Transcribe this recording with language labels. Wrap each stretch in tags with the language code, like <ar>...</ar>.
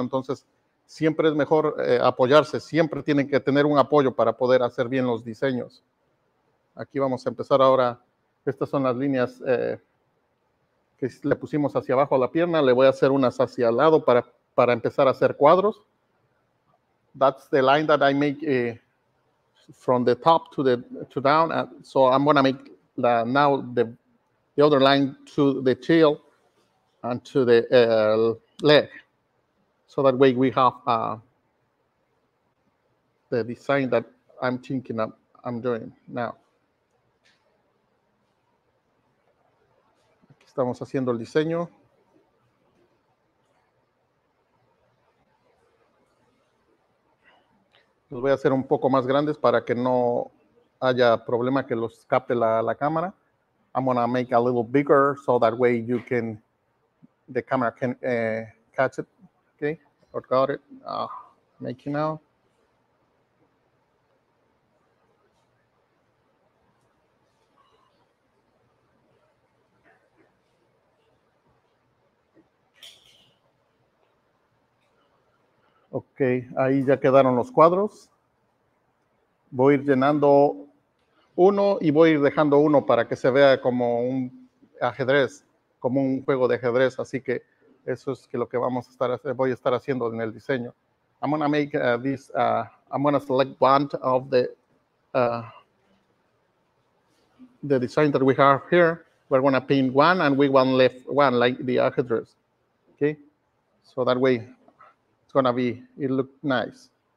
<es>Entonces, siempre es mejor apoyarse. Siempre tienen que tener un apoyo para poder hacer bien los diseños. Aquí vamos a empezar ahora. Estas son las líneas que le pusimos hacia abajo a la pierna. Le voy a hacer unas hacia el lado para empezar a hacer cuadros.</es> <en>That's the line that I make from the top to the to down. So I'm gonna make the other line to the tail and to the leg. So that way we have the design that I'm thinking of, I'm doing now.</en> <es>Aquí estamos haciendo el diseño. Los voy a hacer un poco más grandes para que no haya problema que los capte la cámara.</es> <en>I'm gonna make a little bigger so that way you can, the camera can catch it, okay? Or got it, make it now.</en> <es>Ok, ahí ya quedaron los cuadros. Voy a ir llenando uno y voy a ir dejando uno para que se vea como un ajedrez, como un juego de ajedrez. Así que eso es lo que vamos a estar, voy a estar haciendo en el diseño.</es> <en>I'm gonna make this. I'm gonna select one of the design that we have here. We're gonna paint one and we want left one like the ajedrez. Okay, so that way. It's gonna be, it look nice.</en>